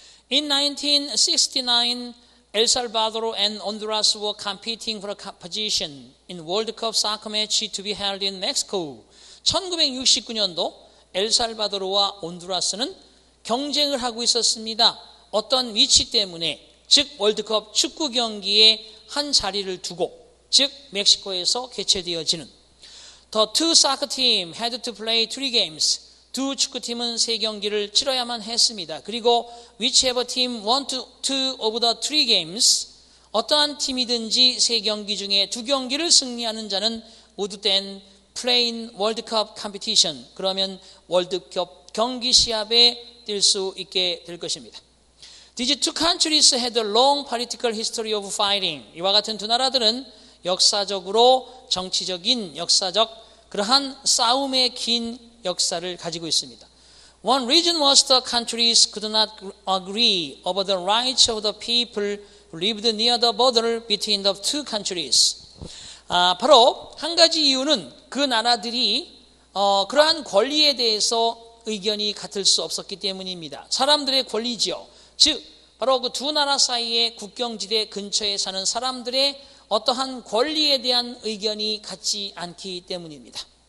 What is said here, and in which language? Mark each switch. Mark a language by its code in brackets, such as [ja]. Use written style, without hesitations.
[en] In 1969 El Salvador and Honduras were competing for a position in World Cup soccer match to be held in Mexico. [ko] 1969년도 엘살바도르와 온두라스는 경쟁을 하고 있었습니다. 어떤 위치 때문에, 즉 월드컵 축구 경기에 한 자리를 두고, 즉 멕시코에서 개최되어지는. [en] The two soccer teams had to play three games. [ko] 두 축구팀은 세 경기를 치러야만 했습니다. 그리고 [en] whichever team won two of the three games, [ko] 어떠한 팀이든지 세 경기 중에 두 경기를 승리하는 자는 [en] would then play in World Cup competition. [ko] 그러면 월드컵 경기 시합에 뛸 수 있게 될 것입니다. [en] These two countries had a long political history of fighting. [ko] 이와 같은 두 나라들은 역사적으로 정치적인 역사적 그러한 싸움의 긴 역사를 가지고 있습니다. [en] One reason was the countries could not agree over the rights of the people who lived near the border between the two countries. [ko] 바로 한 가지 이유는 그 나라들이 그러한 권리에 대해서 의견이 같을 수 없었기 때문입니다. 사람들의 권리지요. 즉 바로 그 두 나라 사이의 국경지대 근처에 사는 사람들의 어떠한 권리에 대한 의견이 같지 않기 때문입니다.